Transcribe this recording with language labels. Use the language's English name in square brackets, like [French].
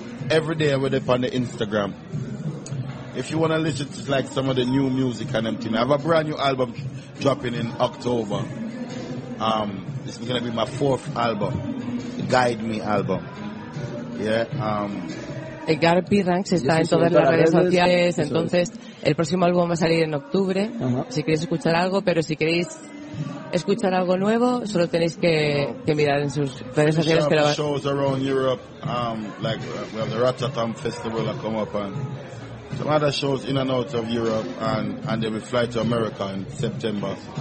[English] Every day I'm with it on the Instagram. If you want to listen to like some of the new music and everything, I have a brand new album dropping in October. This is going to be my fourth album, the Guide Me album. [Spanish] Gary P. Ranks está en todas las redes sociales, entonces el próximo álbum va a salir en octubre. Si queréis escuchar algo, pero si queréis escuchar algo nuevo, solo tenéis que mirar en sus redes sociales. [English] Finish up shows around Europe, like we have the Rotterdam Festival that come up and some other shows in and out of Europe, and they will fly to America in September.